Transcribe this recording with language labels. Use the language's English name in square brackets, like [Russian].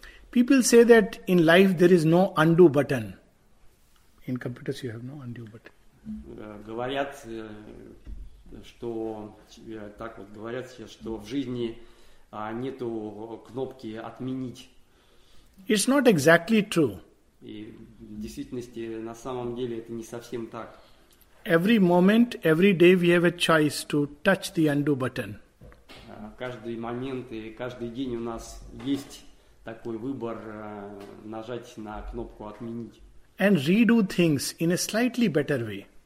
[English] People say that in life there is no undo button. In computers you have no undo button. [Russian] Говорят, что так вот говорят сейчас, что в жизни нету кнопки отменить. [English] It's not exactly true. [Russian] И в действительности на самом деле это не совсем так. [English] Every moment, every day we have a choice to touch the undo button. [Russian] Каждый момент и каждый день у нас есть такой выбор нажать на кнопку отменить. [English] And redo things in a slightly better way.